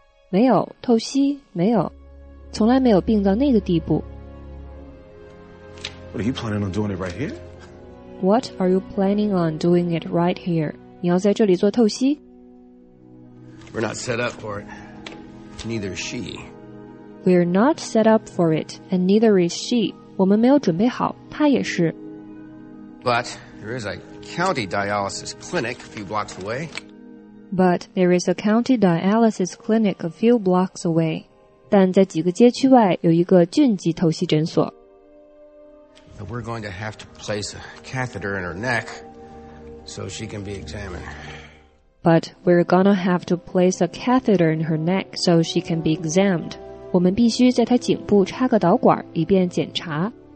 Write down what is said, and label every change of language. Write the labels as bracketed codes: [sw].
[zh] 没有，透析，没有，从来没有病到那个地步。 [en] What are you planning on doing it right here? What are you planning on doing it right here? [zh] 你要在这里做透析? [en] We're not set up for it. Neither is she. We're not set up for it, and neither is she. [zh] 我们没有准备好,她也是。 [en] But there is a county dialysis clinic a few blocks away. But [zh] 在几个街区外有一个郡级透析诊所。 [en] That we're going to have to place a catheter in her neck so she can be examined. But we're gonna have to place a catheter in her neck so she can be examined. [zh] 我们必须在她颈部插个导管以便检查。